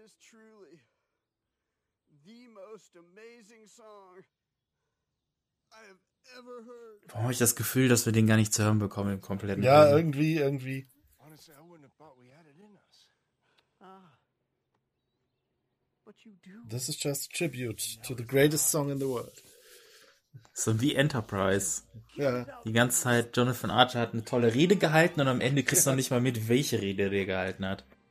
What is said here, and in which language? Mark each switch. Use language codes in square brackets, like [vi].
[en] Truly the most amazing song I have ever heard. [de] Warum habe ich das Gefühl, dass wir den gar nicht zu hören bekommen im kompletten Ja, Film. irgendwie. [en] Honestly, I wouldn't have thought we had it in us. But you do. This is just a tribute to the greatest song in the world. [de] So wie Enterprise. Ja. Die ganze Zeit, Jonathan Archer hat eine tolle Rede gehalten und am Ende kriegst du noch nicht mal mit, welche Rede er gehalten hat.